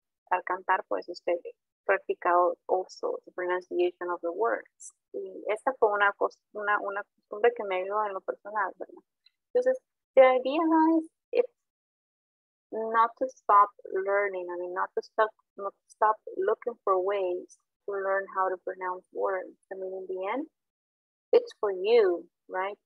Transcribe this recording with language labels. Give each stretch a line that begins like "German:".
Spanish: Al cantar, pues, usted practica
English: also the pronunciation of the words.
Spanish: Y esa fue una costumbre que me ayudó en lo personal, ¿verdad?
English: Entonces, the idea is not to stop learning. I mean, not to stop looking for ways to learn how to pronounce words. I mean, in the end, it's for you, right?